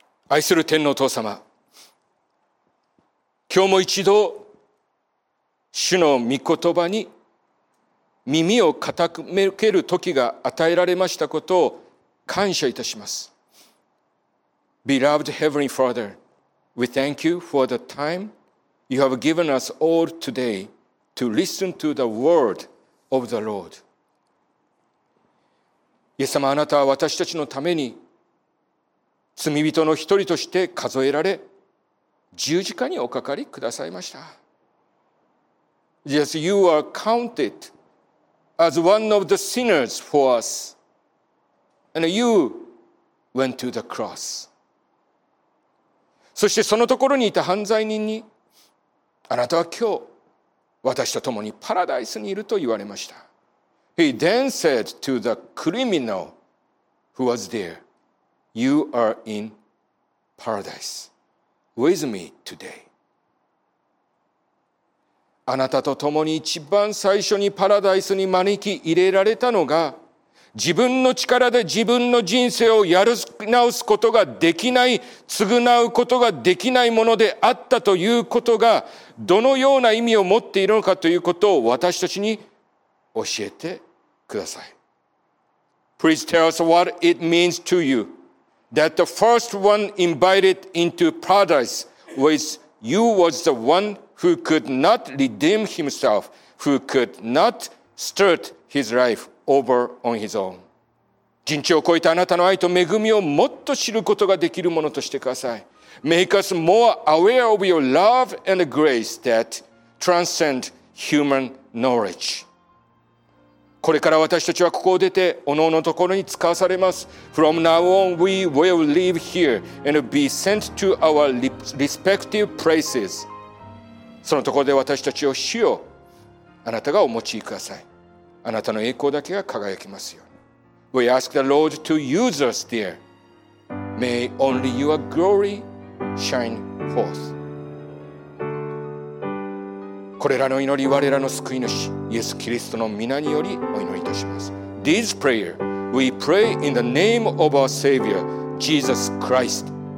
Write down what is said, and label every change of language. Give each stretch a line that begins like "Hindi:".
Japanese: 愛する天のお父様、今日も一度主の御言葉に耳を傾ける時が与えられましたことを感謝いたします。
English: Beloved Heavenly Father, we thank you for the time you have given us all todayTo listen to the word of the Lord.
Japanese: イエス様、あなたは私たちのために罪人の一人として数えられ、十字架におかかりくださいました。
English: Yes, you are counted as one of the sinners for us. And you went to the cross.
Japanese: そしてそのところにいた犯罪人に、あなたは今日、私と共にパラダイスにいると言われました。
English: He then said to the criminal who was there, You are in paradise with me today.
Japanese: あなたと共に一番最初にパラダイスに招き入れられたのが、自分の力で自分の人生をやり直すことができない、償うことができないものであったということが、どのような意味を持っているのかということを私たちに教えてください。
English: Please tell us what it means to you that the first one invited into paradise was you was the one who could not redeem himself, who could not start his life. Over on his own.
Japanese: 人知を超えたあなたの愛と恵みをもっと知ることができるものとしてください。
English: Make us more aware of your love and grace that transcend human knowledge.
Japanese: これから私たちはここを出て各々のところに使わされます。
English: From now on, we will live here and be sent to our respective places.
Japanese: そのところで私たちを主よ、あなたがお持ちください。あなたの栄光だけが輝きますように。
English: We ask the Lord to use us there. May only your glory shine forth.
Japanese: これらの祈り、我らの救い主、イエス・キリストの御名によりお祈りいたします。
English: This prayer we pray in the name of our Savior, Jesus Christ.